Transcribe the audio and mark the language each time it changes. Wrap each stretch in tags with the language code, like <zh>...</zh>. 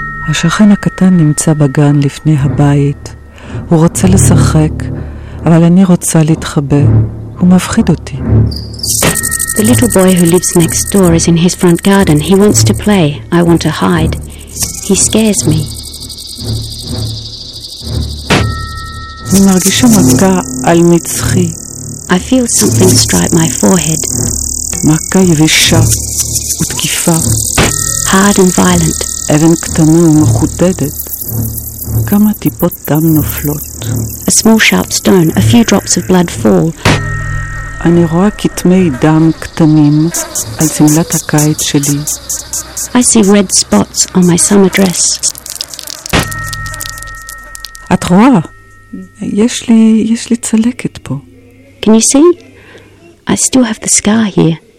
<he>השכן הקטן נמצא בגן לפני הבית. הוא רוצה לשחק, אבל אני רוצה להתחבא. הוא מפחיד אותי.</he> <en>The little boy who lives next door is in his front garden. He wants to play. I want to hide. He scares me.</en> <he>אני מרגישה מכה על מצחי.</he> <en>I feel something strike my forehead.</en> <he>מכה יבשה ותקיפה.</he> <en>Hard and violent.</en> <he>אבן קטנה ומחודדת. כמה טיפות דם נופלות.</he> <en>A small sharp stone, a few drops of blood fall.</en> <he>אני רואה כתמי דם קטנים על שמלת הקיץ שלי.</he> <en>I see red spots on my summer dress.</en> <he>את רואה? יש לי צלקת פה.</he> <en>Can you see? I still have the scar here.</en>